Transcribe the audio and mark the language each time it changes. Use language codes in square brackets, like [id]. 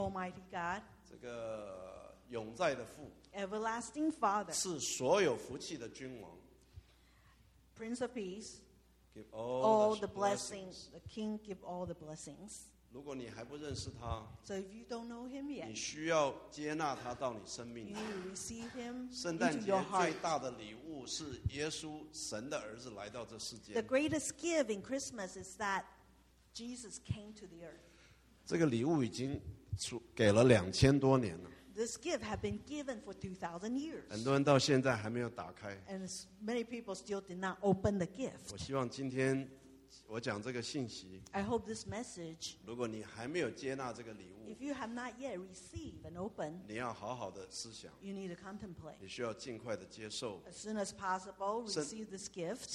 [en] Almighty God. [zh] 这个永在的父 [en] Everlasting Father. [zh] 是所有福气的君王 [en] Prince of Peace. Give all the blessings. The King give all the blessings. [zh] 如果你还不认识他 [en] So if you don't know him yet. [zh] 你需要接纳他到你生命 [en] You receive him into your heart. [zh] 圣诞节最大的礼物是耶稣神的儿子来到这世界 [en] The greatest gift in Christmas is that Jesus came to the earth. [zh] 这个礼物已经给了2000多年了 [en] This gift has been given for 2000 years. [zh] 很多人到现在还没有打开 [en] And many people still did not open the gift. [zh] 我希望今天我讲这个信息 [en] I hope this message [zh] 如果你还没有接纳这个礼物 [en] If you have not yet received and opened [zh] 你要好好的思想 [en] You need to contemplate [zh] 你需要尽快的接受 [en] As soon as possible receive this gift